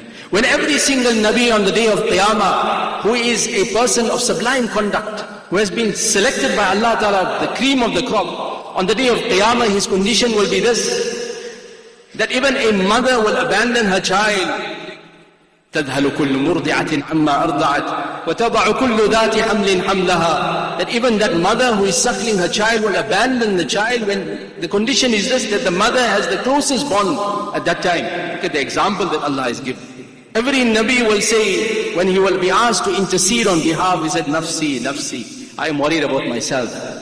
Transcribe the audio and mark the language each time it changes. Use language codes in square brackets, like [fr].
[en] When every single Nabi on the day of Qiyamah, who is a person of sublime conduct, who has been selected by Allah Ta'ala, the cream of the crop, on the day of Qiyamah, his condition will be this, that even a mother will abandon her child [ar] تذهل كل مرضعة عما أرضعت وتضع كل ذات حمل حملها. [en] That even that mother who is suckling her child will abandon the child when the condition is just that the mother has the closest bond at that time. Look at the example that Allah has given. Every Nabi will say, when he will be asked to intercede on behalf, he said, Nafsi, Nafsi, I am worried about myself.